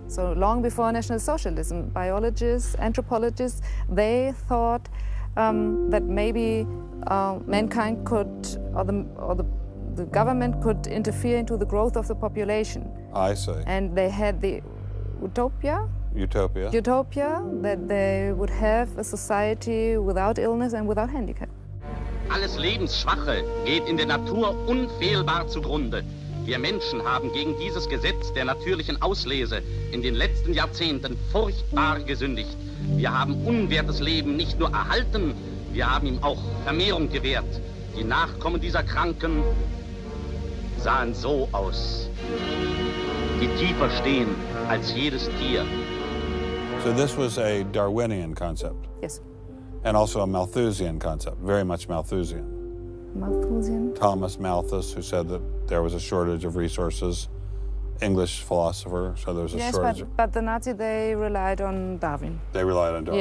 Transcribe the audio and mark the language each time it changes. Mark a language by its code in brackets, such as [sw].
[en] So long before National Socialism, biologists, anthropologists, they thought that maybe mankind could, or the government could interfere into the growth of the population. I see. And they had the utopia. Utopia. Utopia, that they would have a society without illness and without handicap. [de] Alles Lebensschwache geht in der Natur unfehlbar zugrunde. Wir Menschen haben gegen dieses Gesetz der natürlichen Auslese in den letzten Jahrzehnten furchtbar gesündigt. Wir haben unwertes Leben nicht nur erhalten, wir haben ihm auch Vermehrung gewährt. Die Nachkommen dieser Kranken sahen so aus, die tiefer stehen als jedes Tier. [en] So this was a Darwinian concept. Yes. And also a Malthusian concept, very much Malthusian. Malthusian. Thomas Malthus, who said that there was a shortage of resources, English philosopher, so there was a shortage. Yes, but the Nazis, they relied on Darwin. They relied on Darwin.